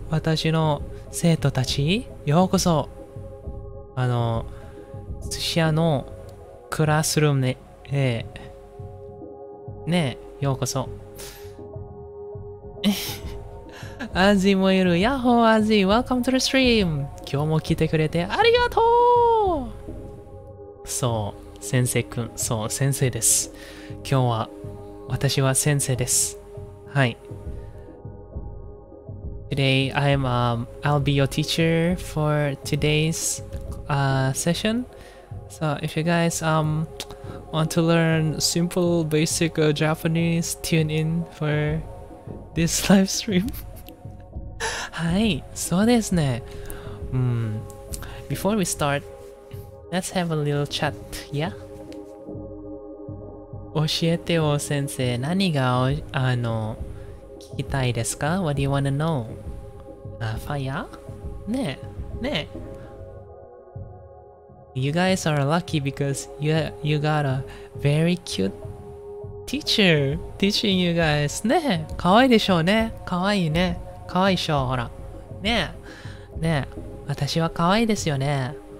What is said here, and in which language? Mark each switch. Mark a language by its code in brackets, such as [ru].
[ja] 私の生徒たち、ようこそ。寿司屋のクラスルームで、ねえ、ようこそ。アジもいる。ヤッホー、アジ。 [en] Welcome to the stream! [ja] 今日も来てくれてありがとう!そう。先生くん、そう、先生です。今日は私は先生です。 [en] はい、 Today I'll be your teacher for today's session. So if you guys want to learn simple basic Japanese, tune in for this live stream. [ja] はい、そうですね。 [en] Before we start, let's have a little chat. Yeah? [ja] 教えてよ先生、何が聞きたいですか? [en] What do you wanna know? Fire? ねえ、ねえ。 You guys are lucky because you got a very cute teacher teaching you guys. [ja] ねえ、かわいいでしょうね。かわいいね。かわいいでしょう、ほら。ねえ、ねえ、私はかわいいですよね。